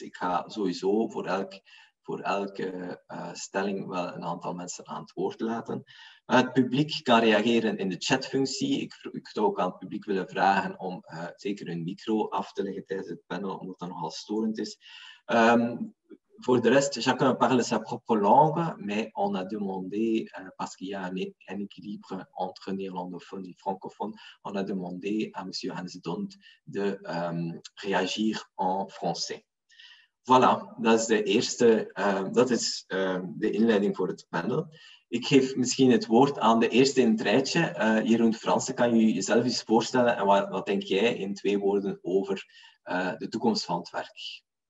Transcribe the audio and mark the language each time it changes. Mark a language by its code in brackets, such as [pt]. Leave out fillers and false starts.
[nl] Ik ga sowieso voor elke stelling wel een aantal mensen aan het woord laten. Het publiek kan reageren in de chatfunctie. Ik zou ook aan het publiek willen vragen om zeker hun micro af te leggen tijdens het panel, omdat dat nogal storend is. Voor de rest, [fr] chacun parle sa propre langue, mais on a demandé, parce qu'il y a un équilibre entre néerlandophone et francophone, on a demandé à M. Hans Dont de réagir en français. [nl] Voilà, dat is de eerste, dat is de inleiding voor het panel. Ik geef misschien het woord aan de eerste in het rijtje. Jeroen Fransen, kan je jezelf eens voorstellen en wat denk jij in twee woorden over de toekomst van het werk?